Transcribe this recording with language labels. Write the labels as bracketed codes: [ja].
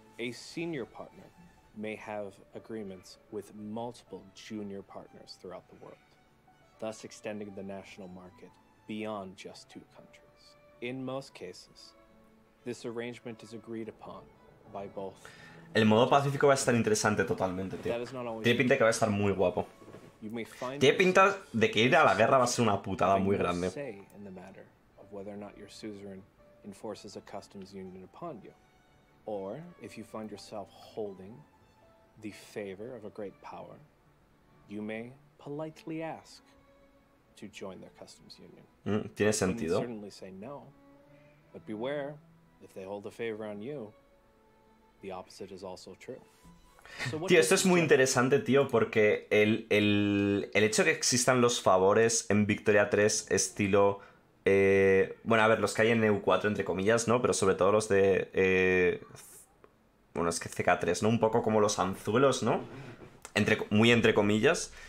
[en] A senior partner may have agreements with multiple junior partners throughout the world, thus extending the national market beyond just two countries. In most cases, this arrangement is agreed upon by both. [es] El modo pacífico va a estar interesante totalmente, tío. Tiene pinta que va a estar muy guapo. Tiene pinta de que ir a la guerra va a ser una putada muy grande. [en] Whether or not your suzerain enforces a customs union upon you, or if you find yourself holding the favor of a great power, you may politely ask to join their customs union. [es] Tiene sentido. [en] You can certainly say no, but beware, if they hold a favor on you, the opposite is also true. [es] Tío, esto es muy interesante, tío, porque el hecho de que existan los favores en Victoria 3 estilo... bueno, a ver, los que hay en EU4, entre comillas, ¿no? Pero sobre todo los de... bueno, es que CK3, ¿no? Un poco como los anzuelos, ¿no? Muy entre comillas.